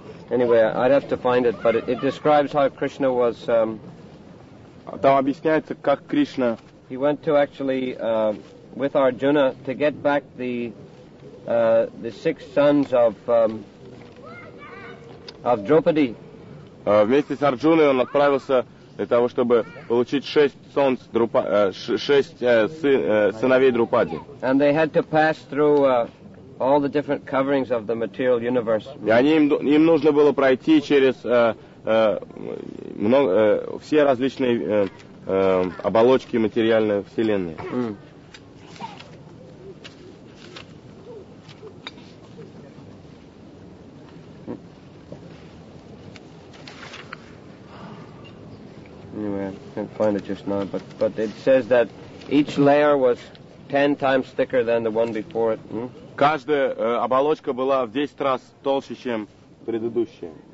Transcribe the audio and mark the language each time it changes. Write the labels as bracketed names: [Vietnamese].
[English] Anyway, I'd have to find it, but it describes how Krishna was. [Russian] Там объясняется, как Кришна. [English] He went to actually with Arjuna to get back the six sons of Draupadi. [Russian] Вместе с Арджуной он отправился для того, чтобы получить шесть сыновей Друпади. [English] And they had to pass through all the different coverings of the material universe. [Russian] И они им нужно было пройти через все различные оболочки материальной вселенной. Mm. [English] Anyway, I can't find it just now, but it says that each layer was 10 times thicker than the one before it. Mm? [Russian] Каждая оболочка была в 10 раз толще, чем предыдущая.